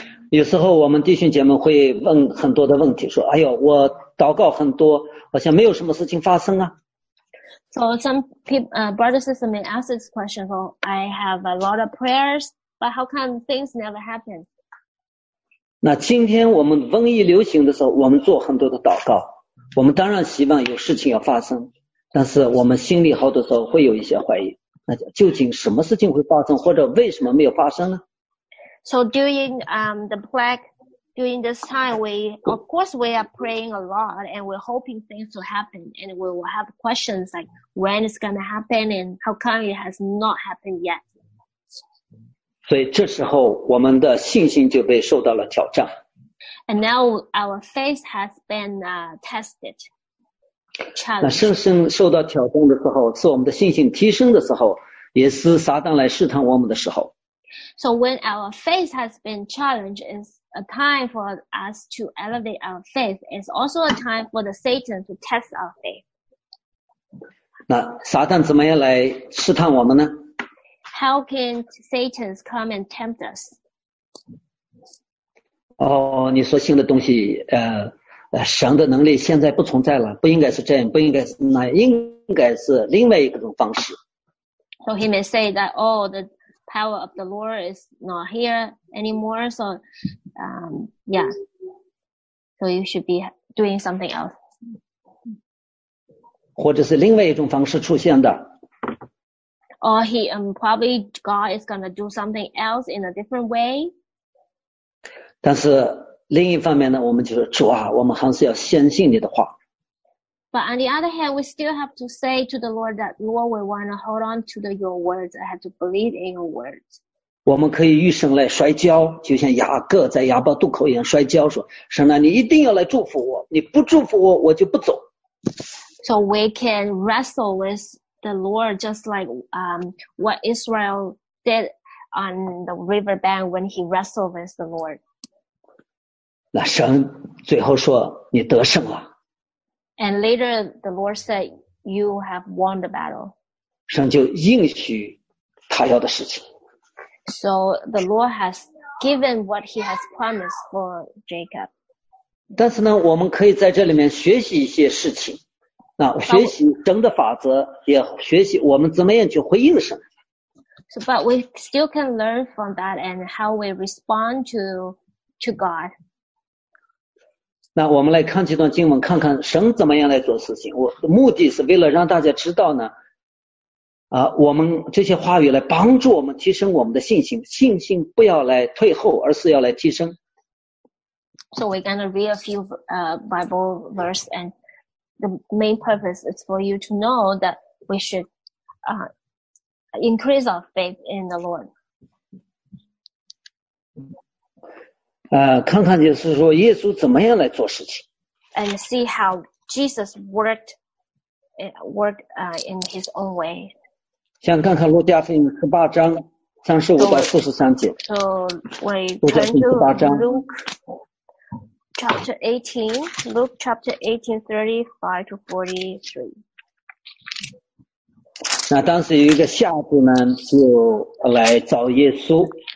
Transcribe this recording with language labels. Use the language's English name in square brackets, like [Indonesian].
[Chinese] 有时候我们弟兄姐妹会问很多的问题，说：“哎呦，我祷告很多，好像没有什么事情发生啊。” [English] So some people, brothers and sisters may ask this question: "So I have a lot of prayers, but how come things never happen?" [Chinese] 那今天我们瘟疫流行的时候，我们做很多的祷告，我们当然希望有事情要发生，但是我们心里好多时候会有一些怀疑，那究竟什么事情会发生，或者为什么没有发生呢？ [English] So during the plague, during this time, we, of course, we are praying a lot and we're hoping things will happen and we will have questions like when it's going to happen and how come it has not happened yet. [Chinese] 所以这时候我们的信心就被受到了挑战。 [English] And now our faith has been tested, challenged. [Chinese] 那信心受到挑战的时候，是我们的信心提升的时候，也是撒旦来试探我们的时候。 [English] So when our faith has been challenged, it's a time for us to elevate our faith. It's also a time for the Satan to test our faith. [Chinese] 那撒旦怎么样来试探我们呢？ [English] How can Satan come and tempt us? [Chinese] 哦，你说新的东西，神的能力现在不存在了，不应该是这样，不应该是那，应该是另外一种方式。 [English] So he may say that, oh, the power of the Lord is not here anymore, so yeah, so you should be doing something else. [Chinese] 或者是另外一种方式出现的。 [English] Or he, probably God is going to do something else in a different way. [Chinese] 但是另一方面呢，我们就是主啊，我们还是要相信你的话。 [English] But on the other hand, we still have to say to the Lord that, Lord, we want to hold on to the, your words. I have to believe in your words. [Chinese] 我们可以与神来摔跤，就像雅各在亚伯渡口一样摔跤，说，神啊，你一定要来祝福我，你不祝福我，我就不走。 [English] So we can wrestle with the Lord just like what Israel did on the riverbank when he wrestled with the Lord. [Chinese] 那神最后说，你得胜了。 [English] And later, the Lord said, you have won the battle. [Chinese] 神就应许他要的事情。 [English] So the Lord has given what he has promised for Jacob. [Chinese] 但是呢，我们可以在这里面学习一些事情，那学习神的法则，也学习我们怎么样去回应神。 [English] So, but we still can learn from that and how we respond to God. [Chinese] 那我们来看这段经文，看看神怎么样来做事情。我目的是为了让大家知道呢，我们这些话语来帮助我们提升我们的信心，信心不要来退后，而是要来提升。 [English] So we're gonna read a few Bible verse, and the main purpose is for you to know that we should increase our faith in the Lord. [Chinese] 看看就是说耶稣怎么样来做事情。 [English] And see how Jesus worked in his own way. [Chinese] 像看看路加福音十八章三十五到四十三节。 [English] So we turn to Luke chapter 18, 35 to 43. [Chinese] 那当时有一个瞎子呢，就来找耶稣。